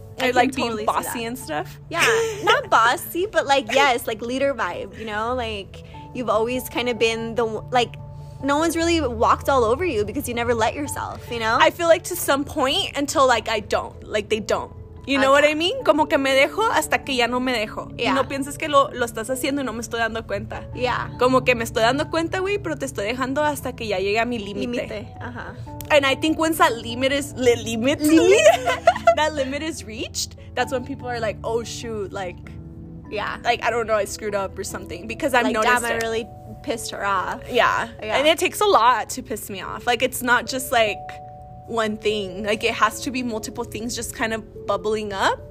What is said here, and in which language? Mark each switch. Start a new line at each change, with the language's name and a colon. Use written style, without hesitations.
English: I like totally being bossy and stuff. Yeah, not bossy, but, like, yes, like, leader vibe, you know? Like, you've always kind of been the, like... no one's really walked all over you because you never let yourself, you know? I feel like to some point until, like, I don't. Like, they don't. You know what I mean?
Spanish: Como que me dejo hasta que ya no me dejo. Yeah. Y no pienses que lo estás haciendo y no me estoy dando cuenta.
English: Yeah.
Spanish: Como que me estoy dando cuenta, güey, pero te estoy dejando hasta que ya llegue a mi límite. Ajá.
English: And I think once that limit is... The limit? Limit. That limit is reached, that's when people are like, oh, shoot, like... Yeah. Like, I don't know, I screwed up or something. Because I've noticed it. Like, damn, I really pissed her off. Yeah. And it takes a lot to piss me off. Like, it's not just, like... one thing, like it has to be multiple things just kind of bubbling up,